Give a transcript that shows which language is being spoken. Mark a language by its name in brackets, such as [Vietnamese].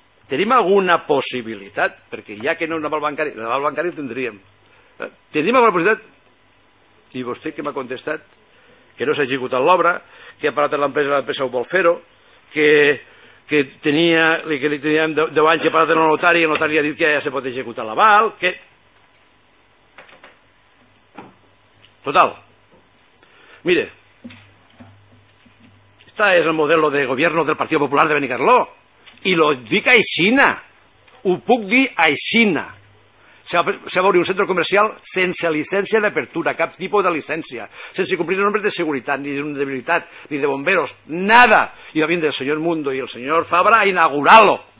[Catalan] Tenim alguna possibilitat? Perquè ja que no és un aval bancari, l'aval bancari el tindríem. Tenim alguna possibilitat? I vostè que m'ha contestat que no s'ha executat l'obra, que ha parat l'empresa ho vol fer-ho, que li teníem 10 anys que ha parat el notari i el notari ha dit que ja se pot executar l'aval, que... Total. [Spanish] Mire, este es el modelo de gobierno del Partido Popular de Benicarló. [Catalan] Y lo dic aixina. Ho puc dir aixina. Se va obrir un centre comercial sense licència d'apertura, cap tipus de licència, sense complir els nombres de seguretat, ni de debilitat, ni de bomberos, nada. I va vindre el senyor Mundo i el senyor Fabra a inaugurar-lo.